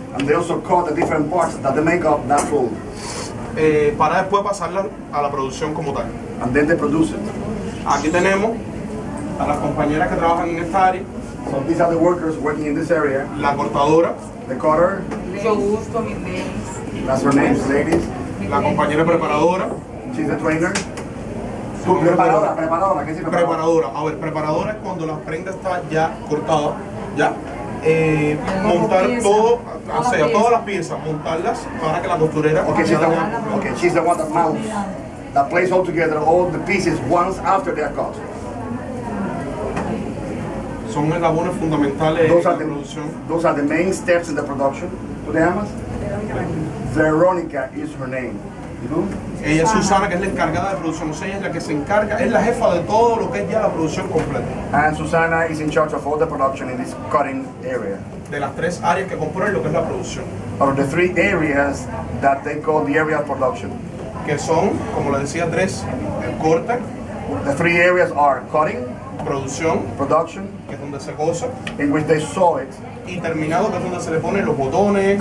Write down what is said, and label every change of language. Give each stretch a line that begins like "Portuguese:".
English: And they also cut the different parts that they make up that fold.
Spanish: para después pasarla a la producción como tal.
English: And then the producer.
Spanish: Aquí tenemos a las compañeras que trabajan en esta área.
English: So these are the workers working in this area.
Spanish: La cortadora.
English: The cutter.
Spanish: Mucho gusto, mis ladies.
English: That's her name, ladies.
Spanish: La compañera preparadora.
English: She's the trainer.
Spanish: Preparadora. A ver, preparadora es cuando la prenda está ya cortada, ya. Montar pieza, todo, toda o sea, todas las piezas, montarlas para que la costurera.
English: Okay, she's the one. Okay, she's the one that mounts, that places all together all the pieces once after they are cut.
Spanish: Son labores fundamentales
English: those
Spanish: en la producción.
English: Those are the main steps in the production.
Spanish: ¿Tú te llamas?
English: Veronica is her name.
Spanish: Ella es Susana, que es la encargada de producción. O sea, ella es la que se encarga, es la jefa de todo lo que es ya la producción completa.
English: And Susana is in charge of all the production in this cutting area.
Spanish: De las tres áreas que componen lo que es la producción.
English: Of the three areas that they call the area of production.
Spanish: Que son, como le decía, tres, el corte.
English: The three areas are cutting.
Spanish: Producción.
English: Production.
Spanish: Que es donde se cosa.
English: In which they sew it.
Spanish: Y terminado, que es donde se le ponen los botones,